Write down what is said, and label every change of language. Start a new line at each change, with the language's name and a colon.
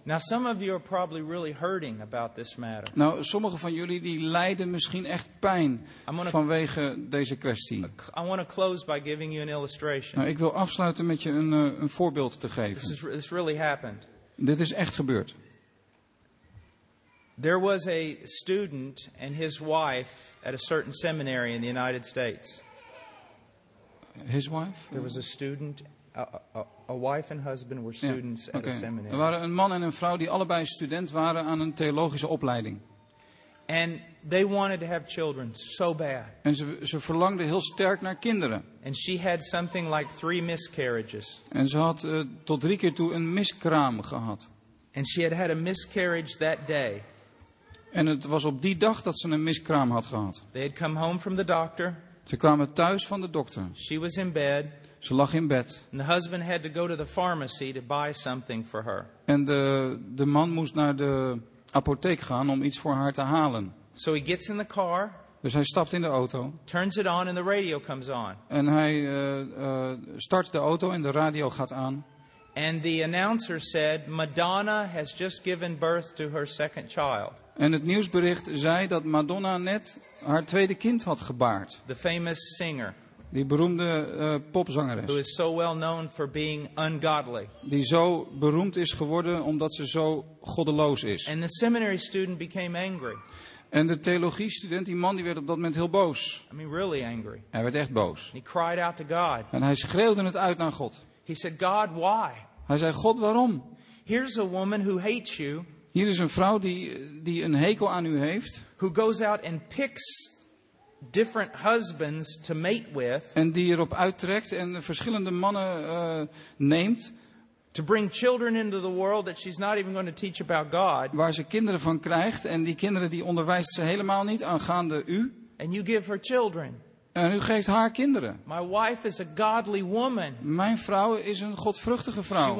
English: Now some of you are probably really hurting about this matter.
Dutch: Nou, sommige van jullie die lijden misschien echt pijn vanwege deze kwestie.
English: I want to close by giving you an illustration.
Dutch: Nou, ik wil afsluiten met je een voorbeeld te geven.
English: This really happened.
Dutch: Dit is echt gebeurd.
English: There was a student and his wife at a certain seminary in the United States. His wife? There was a student, a wife and husband were students, yeah, okay, at a seminary.
Dutch: Er waren een man en een vrouw die allebei student waren aan een theologische opleiding.
English: And they wanted to have children so bad.
Dutch: En ze verlangden heel sterk naar kinderen.
English: And she had something like 3 miscarriages.
Dutch: En ze had tot 3 keer toe een miskraam gehad.
English: And she had a miscarriage that day.
Dutch: En het was op die dag dat ze een miskraam had gehad.
English: They had come home from the doctor.
Dutch: Ze kwamen thuis van de dokter.
English: She was in bed.
Dutch: Ze lag in bed.
English: And the husband had to go to the pharmacy to buy something for her.
Dutch: En de man moest naar de apotheek gaan om iets voor haar te halen.
English: So he gets in the car.
Dutch: Dus hij stapt in de auto.
English: Turns it on and the radio comes on.
Dutch: En hij start de auto en de radio gaat aan.
English: And the announcer said, Madonna has just given birth to her second child.
Dutch: En het nieuwsbericht zei dat Madonna net haar tweede kind had gebaard.
English: The famous singer.
Dutch: Die beroemde popzangeres.
English: Who is so well known for being ungodly.
Dutch: Die zo beroemd is geworden omdat ze zo goddeloos is.
English: And the seminary student became angry.
Dutch: En de theologiestudent, die man, die werd op dat moment heel boos.
English: I mean, really angry.
Dutch: Hij werd echt boos.
English: He cried out to God.
Dutch: En hij schreeuwde het uit naar God.
English: He said, God, why?
Dutch: Hij zei, God, waarom?
English: Here's a woman who hates you.
Dutch: Hier is een vrouw die een hekel aan u heeft.
English: Who goes out and picks different husbands to mate with.
Dutch: En die erop uittrekt en verschillende mannen neemt.
English: To bring children into the world that she's not even going to teach about God.
Dutch: Waar ze kinderen van krijgt en die kinderen die onderwijst ze helemaal niet aangaande u.
English: And you give her children.
Dutch: En u geeft haar kinderen.
English: My wife is a godly woman.
Dutch: Mijn vrouw is een godvruchtige vrouw.